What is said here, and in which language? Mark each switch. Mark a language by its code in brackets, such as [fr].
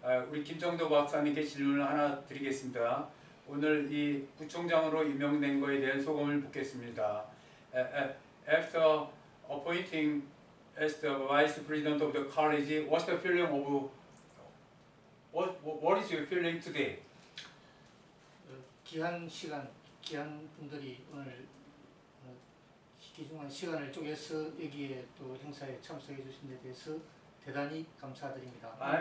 [ko] 우리 김정도 박사님께 질문을 하나 드리겠습니다. 오늘 이 부총장으로 임명된 거에 대한 소감을 묻겠습니다. [en] After appointing as the Vice President of the college, what's the feeling of what is your feeling today? [ko] 귀한 시간, 귀한 분들이 오늘 귀중한 시간을 쪼개서 여기에 또 행사에 참석해 주신 데 대해서 대단히 감사드립니다.